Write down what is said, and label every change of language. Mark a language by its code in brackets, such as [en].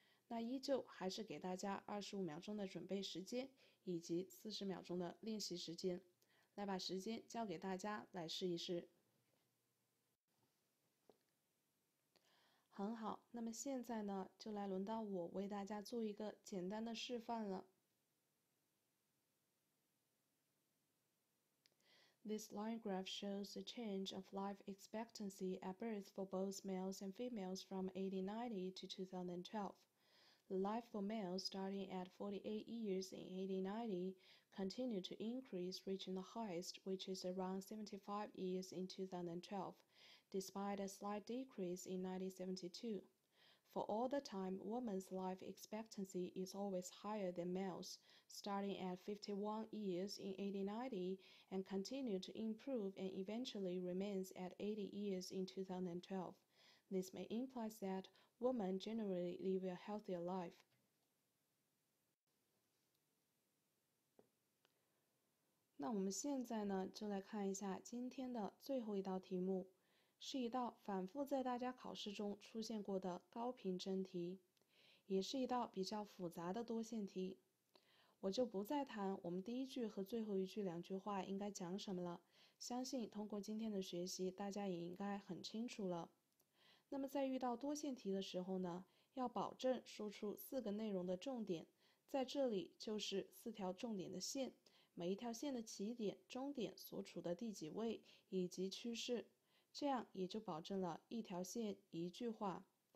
[zh] 那依旧还是给大家25秒钟的准备时间以及40秒钟的练习时间，来把时间交给大家来试一试。很好，那么现在呢，就来轮到我为大家做一个简单的示范了。 [en] This line graph shows the change of life expectancy at birth for both males and females from 1890 to 2012. The life for males starting at 48 years in 1890 continued to increase, reaching the highest, which is around 75 years in 2012. Despite a slight decrease in 1972. For all the time, women's life expectancy is always higher than males, starting at 51 years in 1890 and continue to improve and eventually remains at 80 years in 2012. This may imply that women generally live a healthier life. [zh] 那我们现在呢，就来看一下今天的最后一道题目。是一道反复在大家考试中出现过的高频真题，也是一道比较复杂的多线题。我就不再谈我们第一句和最后一句两句话应该讲什么了，相信通过今天的学习大家也应该很清楚了。那么在遇到多线题的时候呢，要保证说出四个内容的重点，在这里就是四条重点的线，每一条线的起点、终点所处的第几位以及趋势，这样也就保证了一条线一句话。